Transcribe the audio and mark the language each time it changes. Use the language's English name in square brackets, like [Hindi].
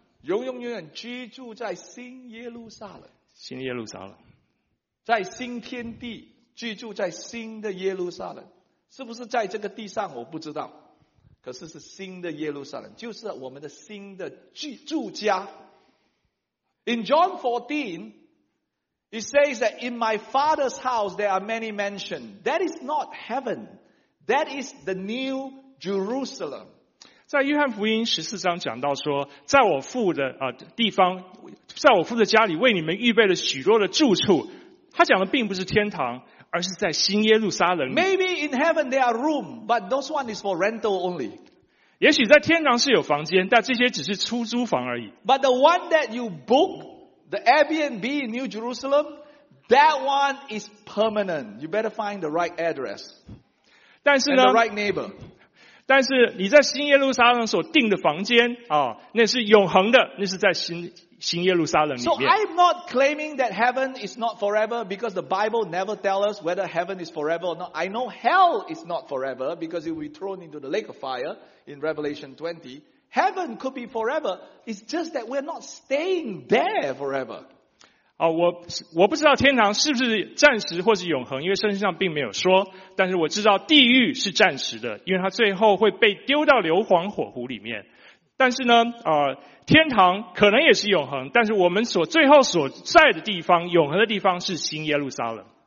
[Chinese] 永远居住在新耶路撒冷。新耶路撒冷。在新天地居住在新的耶路撒冷。是不是在这个地上我不知道。可是是新的耶路撒冷，就是我们的新的住家。 [English] In John 14, it says that in my Father's house there are many mansions. That is not heaven. That is the new Jerusalem. [Chinese] 在约翰福音14章讲到说，在我父的地方，在我父的家里为你们预备了许多的住处。他讲的并不是天堂。而是在新耶路撒冷。 [English] Maybe in heaven there are room, but those one is for rental only. [Chinese] 也许在天堂是有房间，但这些只是出租房而已。 [English] But the one that you book, the Airbnb in New Jerusalem, that one is permanent. You better find the right address. [Chinese] 但是呢 [English] and the right neighbor. [Chinese] 但是你在新耶路撒冷所订的房间啊，那是永恒的，那是在新耶路撒冷里面。 [English] So I'm not claiming that heaven is not forever because the Bible never tells us whether heaven is forever or not. I know hell is not forever because it will be thrown into the lake of fire in Revelation 20. Heaven could be forever. It's just that we're not staying there forever. [Chinese] 我不知道天堂是不是暂时或是永恒，因为圣经上并没有说。但是我知道地狱是暂时的，因为它最后会被丢到硫磺火湖里面。但是呢天堂可能也是永恒，但是我们所最后所在的地方，永恒的地方是新耶路撒冷。